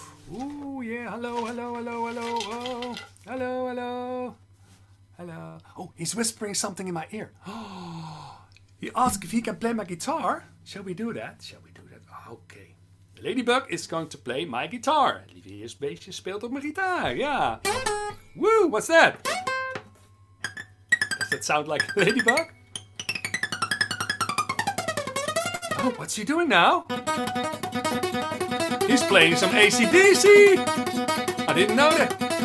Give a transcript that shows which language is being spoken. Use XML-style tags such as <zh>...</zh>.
<en>Oeh, yeah, hallo, hallo, hallo, hallo, oh. Hallo, hallo, hallo. Oh, he's whispering something in my ear. Oh, he asked if he can play my guitar. Shall we do that? Shall we do that? Okay. The ladybug is going to play my guitar.</en> <nl>Lieve heersbeestje speelt op mijn gitaar, yeah.</nl> <en>Woo, what's that? Does that sound like a ladybug? Oh, what's he doing now? He's playing some AC/DC! I didn't know that!</en>